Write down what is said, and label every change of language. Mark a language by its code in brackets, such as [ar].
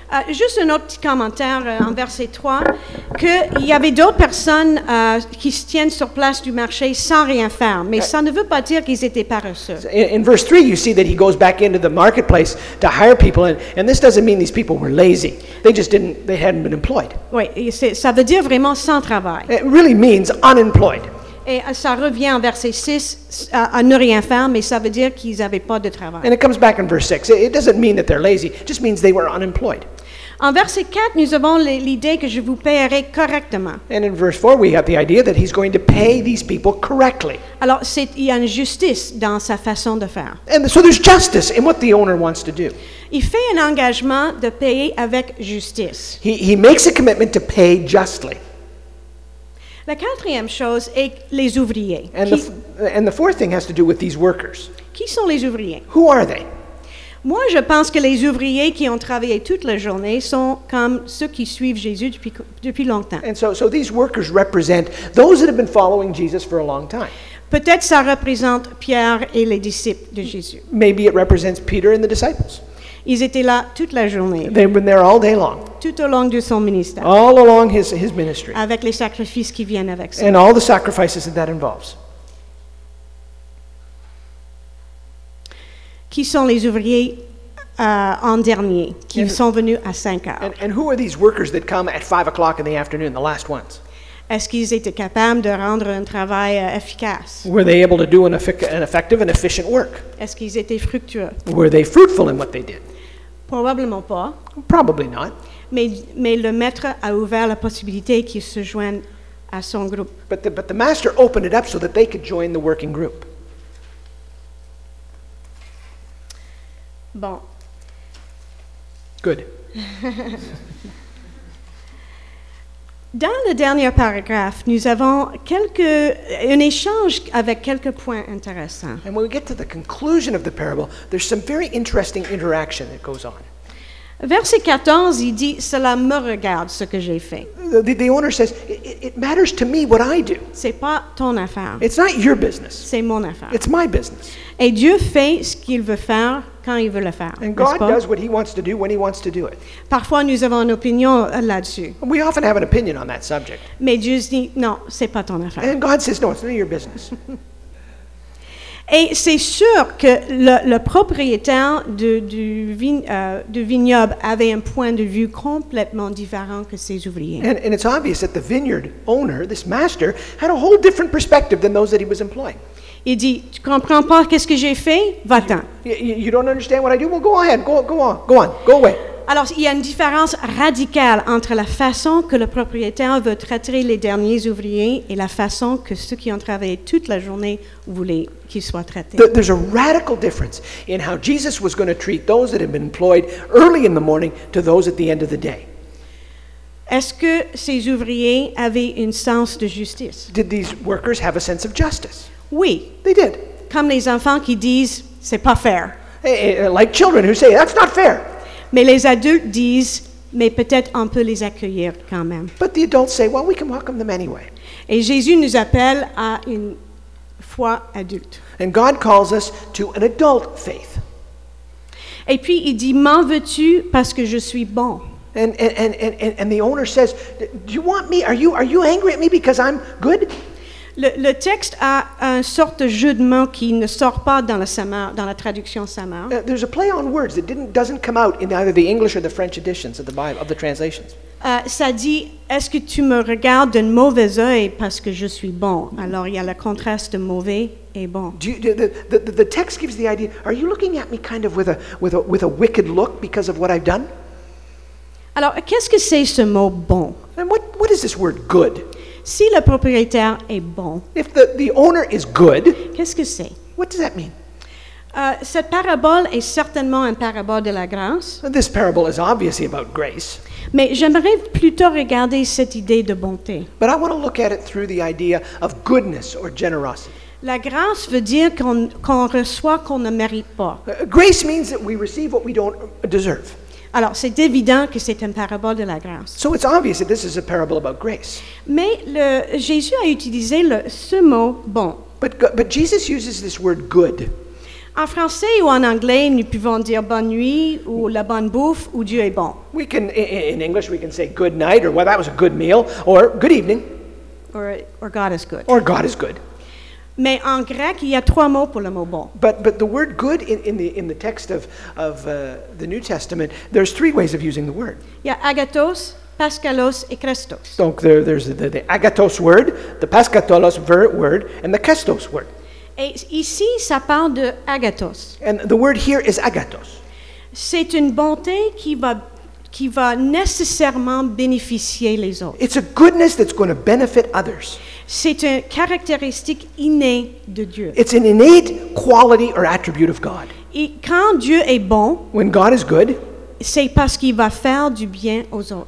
[fr] Juste un autre petit commentaire en verset 3, qu'il y avait d'autres personnes qui se tiennent sur place du marché sans rien faire, mais ça ne veut pas dire qu'ils étaient paresseux. [en] In verse 3, you see that he goes back into the marketplace to hire people, and this doesn't mean these people were lazy. They hadn't been employed. [fr] Oui, ça veut dire vraiment sans travail. [en] It really means unemployed. [fr] Et ça revient en verset 6 à ne rien faire, mais ça veut dire qu'ils n'avaient pas de travail. [en] And it comes back in verse 6. It doesn't mean that they're lazy. It just means they were unemployed. [fr] En verset 4, nous avons l'idée que je vous paierai correctement. [en] And in verse 4, we have the idea that he's going to pay these people correctly. [fr] Alors, il y a une justice dans sa façon de faire. [en] And so there's justice in what the owner wants to do. [fr] Il fait un engagement de payer avec justice. [en] He makes a commitment to pay justly. [fr] La quatrième chose est les ouvriers. [en] And the fourth thing has to do with these workers. [fr] Qui sont les ouvriers? [en] Who are they? [fr] Moi, je pense que les ouvriers qui ont travaillé toute la journée sont comme ceux qui suivent Jésus depuis longtemps. [en] And so these workers represent those that have been following Jesus for a long time. [fr] Peut-être ça représente Pierre et les disciples de Jésus. [en] Maybe it represents Peter and the disciples. [fr] Ils étaient là toute la journée. [en] They've been there all day long. [fr] tout au long de son ministère. [en] All along his ministry. [fr] Avec les sacrifices qui viennent avec ça. [en] And all the sacrifices that involves. [fr] Qui sont les ouvriers en dernier qui sont venus à 5 heures? [en] And who are these workers that come at 5 o'clock in the afternoon, the last ones? [fr] Est-ce qu'ils étaient capables de rendre un travail efficace? [en] Were they able to do an effective and efficient work? [fr] Est-ce qu'ils étaient fructueux? [en] Were they fruitful in what they did? [fr] Probablement pas. [en] Probably not. [fr] Mais le maître a ouvert la possibilité qu'ils se joignent à son groupe. [en] But the master opened it up so that they could join the working group. [fr] Bon. [en] Good. [fr] Dans le dernier paragraphe, nous avons un échange avec quelques points intéressants. [en] And when we get to the conclusion of the parable, there's some very interesting interaction that goes on. [fr] Verset 14, il dit, cela me regarde ce que j'ai fait. [en] The owner says, it matters to me what I do. [fr] C'est pas ton affaire. [en] It's not your business. [fr] C'est mon affaire. [en] It's my business. [fr] Et Dieu fait ce qu'il veut faire quand il veut le faire. [en] And God does what he wants to do when he wants to do it. [fr] Parfois, nous avons une opinion là-dessus. [en] We often have an opinion on that subject. [fr] Mais Dieu dit, non, c'est pas ton affaire. [en] And God says, no, it's not your business. [fr] Et c'est sûr que le propriétaire du vignoble avait un point de vue complètement différent que ses ouvriers. [en] And it's obvious that the vineyard owner, this master, had a whole different perspective than those that he was employing. [fr] Il dit, tu comprends pas qu'est-ce que j'ai fait? Va-t'en. [en] You don't understand what I do? Well, go ahead. Go on. Go away. [fr] Alors, il y a une différence radicale entre la façon que le propriétaire veut traiter les derniers ouvriers et la façon que ceux qui ont travaillé toute la journée voulaient qu'ils soient traités. [en] There's a radical difference in how Jesus was going to treat those that had been employed early in the morning to those at the end of the day. [fr] Est-ce que ces ouvriers avaient un sens de justice? [en] Did these workers have a sense of justice? [fr] Oui. [en] They did. [fr] Comme les enfants qui disent, c'est pas fair. [en] Like children who say, that's not fair. [fr] Mais les adultes disent, mais peut-être on peut les accueillir quand même. [en] But the adults say, well, we can welcome them anyway. [fr] Et Jésus nous appelle à une foi adulte. [en] And God calls us to an adult faith. [fr] Et puis il dit, m'en veux-tu parce que je suis bon? [en] And the owner says, do you want me? Are you angry at me because I'm good? [fr] Le texte a un sorte de jeu de mots qui ne sort pas dans la traduction Samar. [en] There's a play on words that doesn't come out in either the English or the French editions of the Bible, of the translations. [fr] Ça dit, est-ce que tu me regardes d'un mauvais œil parce que je suis bon? Alors il y a le contraste de mauvais et bon. [en] The text gives the idea, are you looking at me kind of with a wicked look because of what I've done? [fr] Alors qu'est-ce que c'est ce mot bon? [en] And what is this word good? [fr] Si le propriétaire est bon, [en] if the owner is good, [fr] qu'est-ce que c'est? [en] What does that mean? [fr] Cette parabole est certainement une parabole de la grâce. [en] This parable is obviously about grace. [fr] Mais j'aimerais plutôt regarder cette idée de bonté. [en] But I want to look at it through the idea of goodness or generosity. [fr] La grâce veut dire qu'on reçoit qu'on ne mérite pas. [en] Grace means that we receive what we don't deserve. [fr] Alors, c'est évident que c'est une parabole de la grâce. [en] So it's obvious that this is a parable about grace. [fr] Mais Jésus a utilisé ce mot bon. [en] But Jesus uses this word good. [fr] En français ou en anglais, nous pouvons dire bonne nuit ou la bonne bouffe ou Dieu est bon. [en] We can in English we can say good night or well that was a good meal or good evening. Or God is good. Or God is good. [fr] Mais en grec, il y a trois mots pour le mot bon. [en] But the word good in the text of the New Testament, there's three ways of using the word. [fr] Il y a agathos, paskalos et krestos. [en] Donc there's the agathos word, the paskatolos word, and the krestos word. [fr] Et ici, ça parle de agathos. [en] And the word here is agathos. [fr] C'est une bonté qui va nécessairement bénéficier les autres. [en] It's a goodness that's going to benefit others. [fr] C'est une caractéristique innée de Dieu. [en] It's an innate quality or attribute of God. [fr] Et quand Dieu est bon, [en] when God is good, [fr] c'est parce qu'il va faire du bien aux autres.